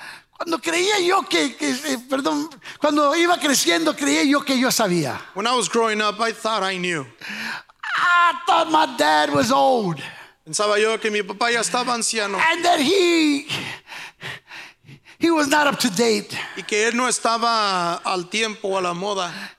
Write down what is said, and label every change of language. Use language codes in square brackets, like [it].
[es] Cuando creía yo perdón, cuando iba creciendo creía yo que yo sabía. [en] When I was growing up, I thought I knew. I thought my dad was old. [es] Pensaba yo que mi papá ya estaba anciano. [en] And that he was not up to date. [es] Y que él no estaba al tiempo, a la moda.